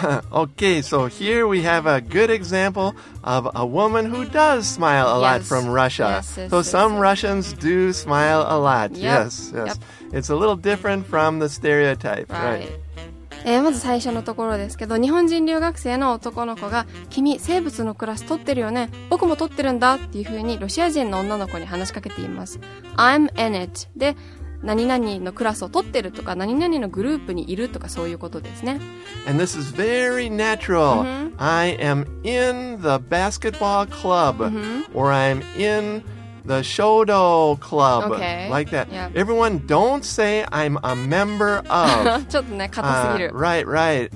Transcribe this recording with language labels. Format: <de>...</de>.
<en>Okay, so here we have a good example of a woman who does smile a lot from Russia. Yes, some Russians do smile a lot. Yes. It's a little different from the stereotype, right?</en> <ja>まず最初のところですけど、日本人留学生の男の子が、君生物のクラス取ってるよね、僕も取ってるんだっていう風にロシア人の女の子に話しかけています。</ja> <en>I'm in it</en> <ja>で、何々のクラスを取ってるとか何々のグループにいるとかそういうことですね。</ja> <en>And this is very natural、mm-hmm. I am in the basketball club、mm-hmm. or I am in the shodo club、 okay. like that、yep. Everyone don't say I'm a member of</en> <ja>ちょっとね硬すぎる、</ja> <en>right, right.</en>